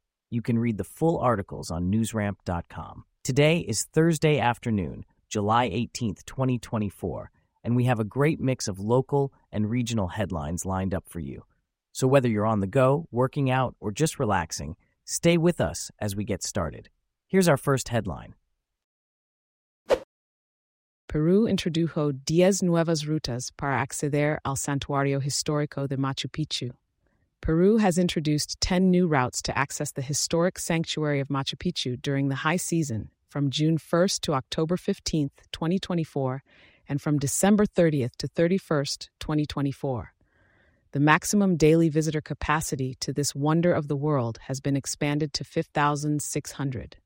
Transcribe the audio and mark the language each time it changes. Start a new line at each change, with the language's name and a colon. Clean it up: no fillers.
English: You can read the full articles on NewsRamp.com. Today is Thursday afternoon, July 18th, 2024, and we have a great mix of local and regional headlines lined up for you. So whether you're on the go, working out, or just relaxing, stay with us as we get started. Here's our first headline.
Spanish: Peru introdujo 10 nuevas rutas para acceder al Santuario Histórico de Machu Picchu.
English: Peru has introduced 10 new routes to access the historic sanctuary of Machu Picchu during the high season, from June 1st to October 15th, 2024, and from December 30th to 31st, 2024. The maximum daily visitor capacity to this wonder of the world has been expanded to 5,600.